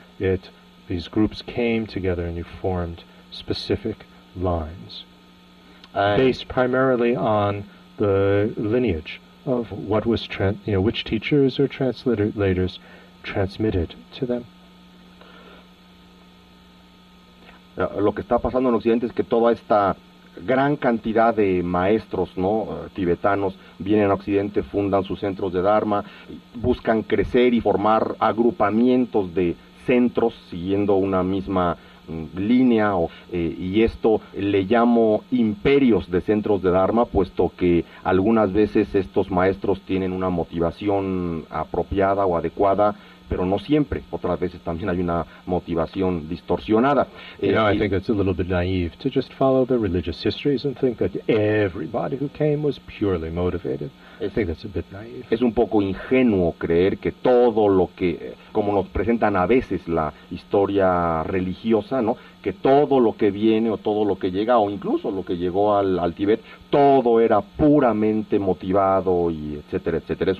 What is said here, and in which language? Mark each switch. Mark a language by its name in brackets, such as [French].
[English] These groups came together and you formed specific lines based primarily on the lineage of what was, which teachers or translators transmitted to them. [Spanish] Lo que está pasando en Occidente es que toda esta gran cantidad de maestros, ¿no?, tibetanos, vienen a Occidente, fundan sus centros de Dharma, buscan crecer y formar agrupamientos de centros siguiendo una misma línea, y esto le llamo imperios de centros de Dharma, puesto que algunas veces estos maestros tienen una motivación apropiada o adecuada, pero no siempre. Otras veces también hay una motivación distorsionada. [English] I think it's a little bit naive to just follow the religious histories and think that everybody who came was purely motivated. I think that's a bit naive. [Spanish] Es un poco ingenuo creer que todo lo que, como nos presentan a veces la historia religiosa, ¿no?, que todo lo que viene o todo lo que llega, o incluso lo que llegó al Tíbet, todo era puramente motivado y etcétera, etcétera.